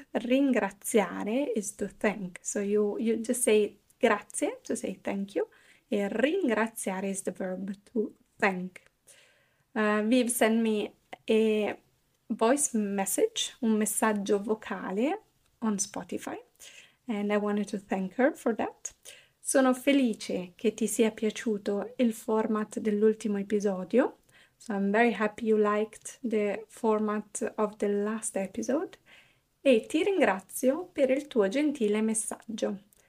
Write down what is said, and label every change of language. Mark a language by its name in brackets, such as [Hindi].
[English] Ringraziare is to thank. So you just say grazie to say thank you, e ringraziare is the verb to thank. Viv sent me a voice message, [Italian] un messaggio vocale [English] on Spotify, and I wanted to thank her for that. [Italian] Sono felice che ti sia piaciuto il format dell'ultimo episodio. [English] So I'm very happy you liked the format of the last episode. [Italian] E ti ringrazio per il tuo gentile messaggio.